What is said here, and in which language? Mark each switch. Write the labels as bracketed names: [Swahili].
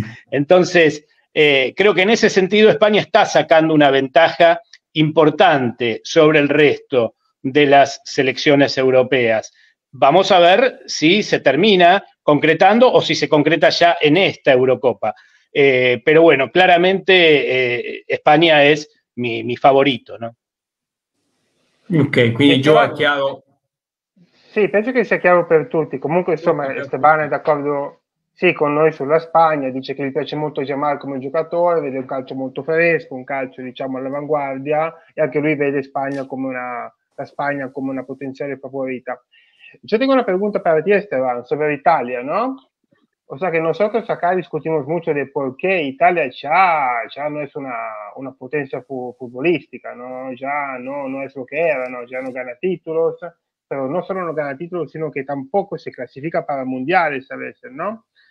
[Spanish] Entonces, creo que en ese sentido España está sacando una ventaja importante sobre el resto de las selecciones europeas. Vamos a ver si se termina concretando o si se concreta ya en esta Eurocopa. Pero bueno, claramente España es mi favorito, ¿no? [Italian] Ok, quindi Gio ha chiaro. Sì, penso che sia chiaro per tutti. Comunque, insomma, Esteban è d'accordo sì con noi sulla Spagna. Dice che gli piace molto Yamal come giocatore, vede un calcio molto fresco, un calcio diciamo all'avanguardia, e anche lui vede Spagna come la Spagna come una potenziale favorita. Io [Spanish] tengo una pregunta [Italian] per te, Esteban, sobre l'Italia, no? [Spanish] O sea que nosotros acá discutimos mucho de por qué Italia ya no es una potencia futbolística, ¿no? Ya no es lo que era, ¿no? Ya no gana títulos, pero no solo no gana títulos, sino que tampoco se clasifica para mundiales a veces, ¿no?